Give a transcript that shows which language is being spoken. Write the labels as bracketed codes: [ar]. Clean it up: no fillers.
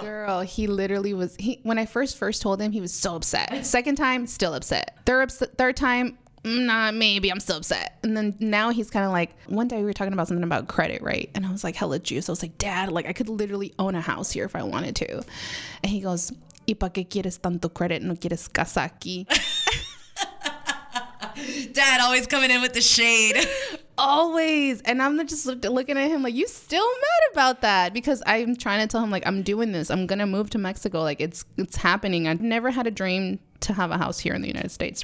[en] Girl, he literally was, when I first told him, he was so upset. Second time, still upset. Third time, nah, maybe I'm still upset. And then now he's kind of like, one day we were talking about something about credit, right? And I was like, hella juice. I was like, Dad, like, I could literally own a house here if I wanted to. And he goes, [es] ¿Y para qué quieres tanto credit? ¿No quieres casa aquí? [en] Dad always coming in with the shade. Always. And I'm just looking at him like, you still mad about that? Because I'm trying to tell him, like, I'm doing this. I'm going to move to Mexico. Like, it's happening. I've never had a dream to have a house here in the United States.